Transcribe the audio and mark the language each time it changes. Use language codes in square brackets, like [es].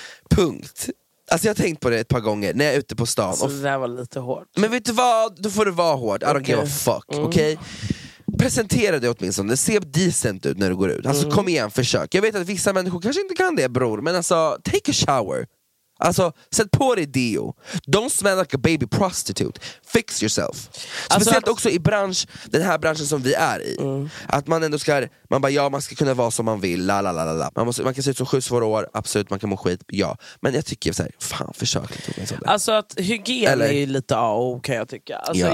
[sv] Punkt. Alltså jag har tänkt på det ett par gånger när jag är ute på stan. Och... det där var lite hårt. Men vet du vad? Då får det vara hårt. [en] I don't give a fuck. [sv] Okej? Okay? Presentera dig åtminstone. Se decent ut när du går ut. Alltså kom igen, försök. Jag vet att vissa människor kanske inte kan det, bror. Men alltså, [en] take a shower. [sv] Alltså, sätt på dig deo. [en] Don't smell like a baby prostitute. Fix yourself. [sv] Speciellt alltså, också i bransch, den här branschen som vi är i. Att man ändå ska, man bara, ja, man ska kunna vara som man vill. La la la la. Man kan se ut som 7 svåra år. Absolut, man kan må skit. Ja. Men jag tycker såhär, fan, försök lite. Alltså att hygien eller, är ju lite kan jag tycka. Alltså ja.